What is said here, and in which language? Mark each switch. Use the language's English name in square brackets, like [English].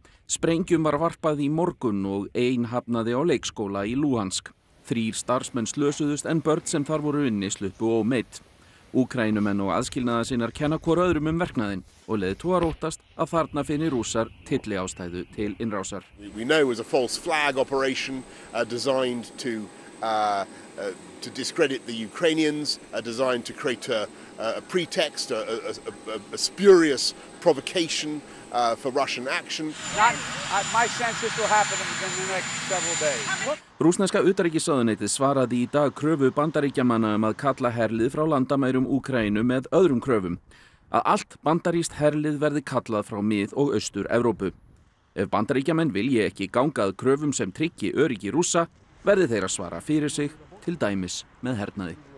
[Icelandic] Sprengjum var varpað í morgun og ein hafnaði á leikskóla í Luhansk. Þrír starfsmenn slösuðust en börn sem þar voru inni sluppu ómeidd. Úkraínumenn og aðskilnaðarsinnar kenna hvor öðrum verknaðinn og leiðtogar óttast að þarna finni rússar tylli ástæðu til innrásar. [English] We know it was a false flag operation designed to discredit the Ukrainians, designed to create a pretext, a spurious provocation for Russian action. My sense this will happen in the next several days. [Icelandic] Rússneska utanríkisráðuneytið svaraði í dag kröfu bandaríkjamanna að kalla herlið frá landamærum Úkraínu með öðrum kröfum. Að allt bandaríst herlið verði kallað frá mið- og austur-Evrópu. Ef bandaríkjamenn vilji ekki gangað kröfum sem tryggi öryggi rússa, verði þeir að svara fyrir sig, til dæmis með hernaði.